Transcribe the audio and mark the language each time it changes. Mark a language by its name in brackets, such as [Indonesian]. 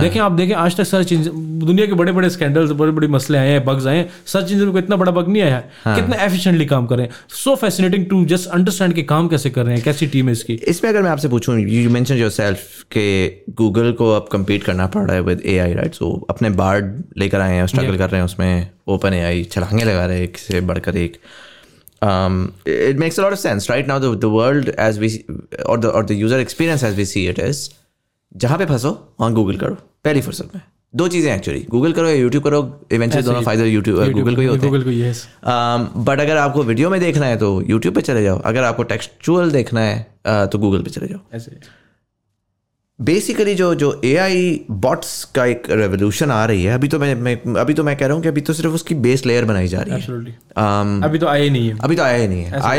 [Urdu] دیکھیں آپ, دیکھیں آج تک سرچ انجن, دنیا کے بڑے بڑے اسکینڈلز, بڑے بڑے مسئلے آئے ہیں, بگز آئے ہیں, سرچ انجن کو اتنا بڑا بگ نہیں آیا, کتنا ایفیشینٹلی کام کریں, [English] so fascinating to just understand [Urdu] کہ کام کیسے کر رہے ہیں, کیسی ٹیم ہے اس کی. اس میں اگر میں آپ سے پوچھوں, [English] you mention yourself [Urdu] کہ گوگل کو اب کمپیٹ کرنا پڑ رہا ہے ود اے آئی, رائٹ, سو اپنے بارڈ لے کر آئے ہیں, اسٹرگل کر رہے ہیں اس میں, اوپن اے آئی چھلانگیں لگا رہے ہیں ایک سے بڑھ کر ایک. [English] It makes a lot of sense right now, the world as we or the user experience as we see it is, [Urdu] جہاں پہ پھنسو وہاں گوگل کرو پہلی فرصت میں. دو چیزیں ایکچولی, گوگل کرو یا یوٹیوب کرو, ایونچولی دونوں فائدہ یوٹیوب گوگل کو ہی ہوتا ہے. بٹ اگر آپ کو ویڈیو میں دیکھنا ہے تو یوٹیوب پہ چلے جاؤ, اگر آپ کو ٹیکسچوئل دیکھنا ہے تو گوگل پہ چلے جاؤ. بیسیکلی جو اے آئی باٹس کا ایک ریولیوشن آ رہی ہے, ابھی تو میں کہہ رہا ہوں کہ ابھی تو صرف اس کی بیس لیئر بنائی جا رہی ہے, ابھی تو آیا ہی نہیں ہے.